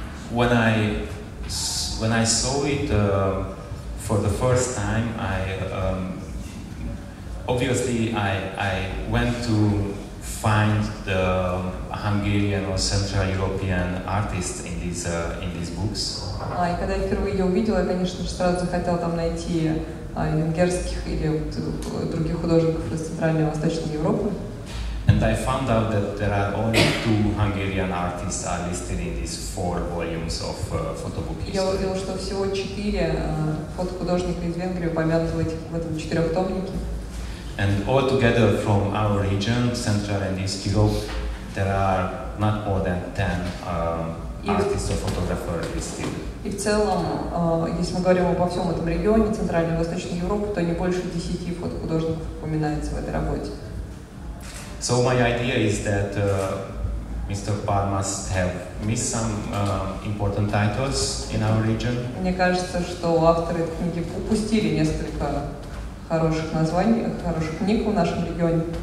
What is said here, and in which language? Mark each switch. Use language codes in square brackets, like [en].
[en] When I saw it for the first time, I obviously I went to find the Hungarian or Central European artists in these books. [ru] И когда я впервые ее увидела, я, конечно же, сразу захотела там найти венгерских или других художников из Центральной и Восточной Европы. [en] And I found out that there are only two Hungarian artists are listed in these four volumes of photobook history. [ru] Я увидела, что всего четыре фотохудожника из Венгрии упомянуты в этом четырехтомнике. [en] And all together from our region, Central and East Europe, there are not more than 10 artists or photographers listed. [ru] И в целом, если мы говорим обо всем этом регионе, Центральной и Восточной Европы, то не больше 10 фотохудожников упоминается в этой работе. [en] So my idea is that Mr. Parr must have missed some important titles in our region. [ru] Мне кажется, что авторы этой книги упустили несколько хороших названий, хороших книг в нашем регионе.